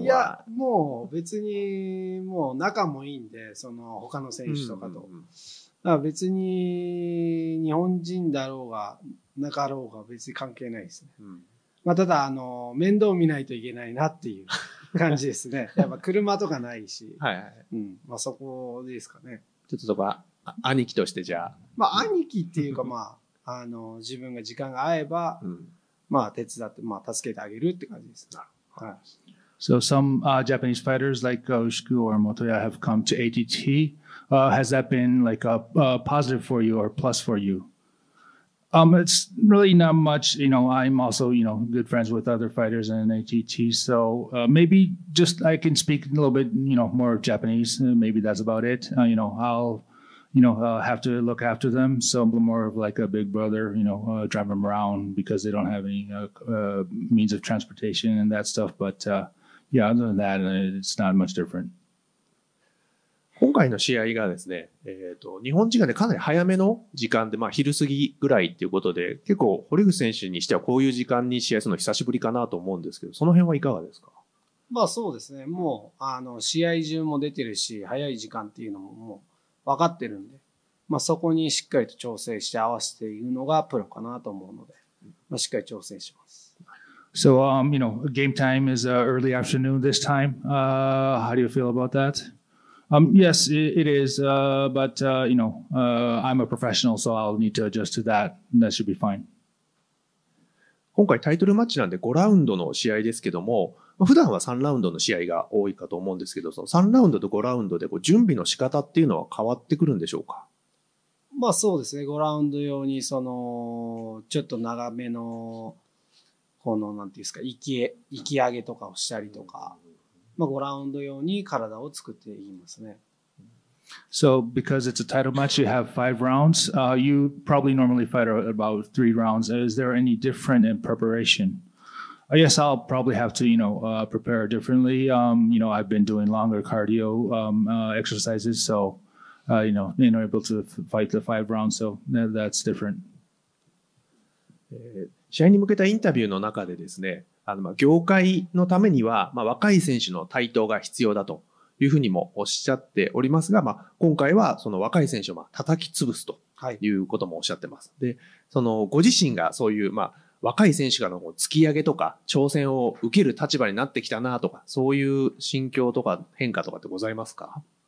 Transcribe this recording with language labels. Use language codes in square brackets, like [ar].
[ja] いやもう別にもう仲もいいんで、その他の選手とかと、うんうんうん、別に日本人だろうがなかろうが別に関係ないですね。うん、まあただ面倒見ないといけないなっていう感じですね。やっぱ車とかないし、はいはい、うん、まあそこですかね。ちょっとそこは兄貴としてじゃあ、まあ兄貴っていうかまあ自分が時間が合えば、うん、まあ手伝ってまあ助けてあげるって感じです。はい。 [en] So some Japanese fighters like Ushiku or Motoya have come to ATT. Has that been like a positive for you or plus for you? It's really not much, you know. I'm also, you know, good friends with other fighters in ATT, so maybe just I can speak a little bit, you know, more Japanese. Maybe that's about it. You know, I'll, you know, have to look after them. So more of like a big brother, you know, drive them around because they don't have any means of transportation and that stuff. But yeah, other than that, it's not much different. [ja] 今回の試合がですね、日本時間でかなり早めの時間で、まあ昼過ぎぐらいっていうことで、結構堀口選手にしてはこういう時間に試合するの久しぶりかなと思うんですけど、その辺はいかがですか？まあそうですね、もう、試合中も出てるし、早い時間っていうのももう分かってるんで、まあそこにしっかりと調整して合わせているのがプロかなと思うので、まあしっかり調整します。 [en] So, you know, game time is early afternoon this time. How do you feel about that? Yes, it is. But, you know, I'm a professional, so I'll need to adjust to that. That should be fine. [ja] 今回タイトルマッチなんで5ラウンドの試合ですけども、普段は3ラウンドの試合が多いかと思うんですけど、その3ラウンドと5ラウンドでこう準備の仕方っていうのは変わってくるんでしょうか？まあそうですね。 5ラウンド用に、その、ちょっと長めの、この、なんていうんですか、息上げとかをしたりとか、まあ5ラウンド用に体を作っていますね。 [en] So, because it's a title match, you have 5 rounds. You probably normally fight about 3 rounds. Is there any different in preparation? Yes, I'll probably have to, you know, prepare differently. You know, I've been doing longer cardio exercises, so, you know, being able to fight the 5 rounds, so that's different. [ja] 試合に向けたインタビューの中でですね、業界のためには、若い選手の台頭が必要だと。いうふうにもおっしゃっておりますが、今回はその若い選手を叩き潰すということもおっしゃってます。はい、で、そのご自身がそういう、若い選手からの突き上げとか挑戦を受ける立場になってきたなとか、そういう心境とか変化とかってございますか？